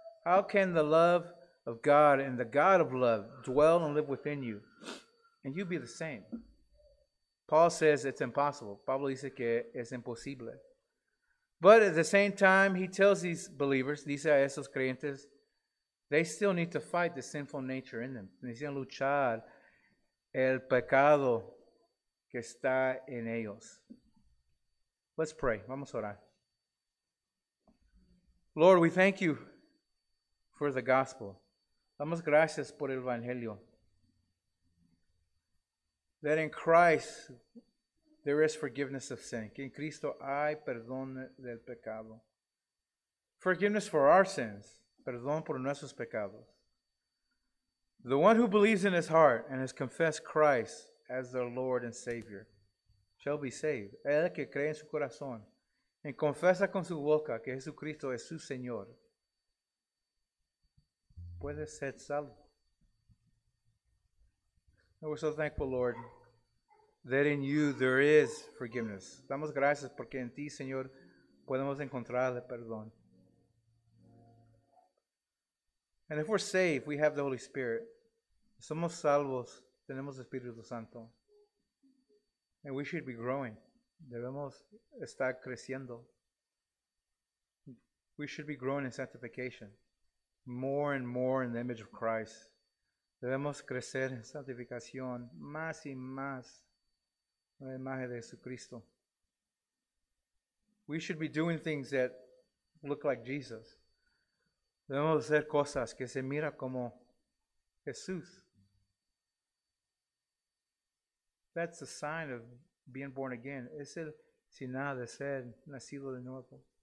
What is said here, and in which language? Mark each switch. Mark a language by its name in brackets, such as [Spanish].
[English] How can the love of God and the God of love dwell and live within you and you be the same? Paul says it's impossible. [Spanish] Pablo dice que es imposible. [English] But at the same time, he tells these believers, [Spanish] dice a esos creyentes, [English] they still need to fight the sinful nature in them. [Spanish] Necesitan luchar el pecado que está en ellos. [English] Let's pray. [Spanish] Vamos a orar. [English] Lord, we thank you for the gospel. [Spanish] Damos gracias por el evangelio. [English] That in Christ there is forgiveness of sin. [Spanish] Que en Cristo hay perdón del pecado. [English] Forgiveness for our sins. [Spanish] Perdón por nuestros pecados. [English] The one who believes in his heart and has confessed Christ as their Lord and Savior shall be saved. [Spanish] El que cree en su corazón y confiesa con su boca que Jesucristo es su Señor puede ser salvo. [English] And we're so thankful, Lord, that in you there is forgiveness. [Spanish] Damos gracias porque en ti, Señor, podemos encontrar el perdón. [English] And if we're saved, we have the Holy Spirit. [Spanish] Somos salvos, tenemos Espíritu Santo. [English] And we should be growing. [Spanish] Debemos estar creciendo. [English] We should be growing in sanctification. More and more in the image of Christ. [Spanish] Debemos crecer en santificación. Más y más. La imagen de Jesucristo. [English] We should be doing things that look like Jesus. [Spanish] Debemos hacer cosas que se mira como Jesús. [English] That's a sign of being born again. [Spanish] Es el sinal de ser nacido de nuevo.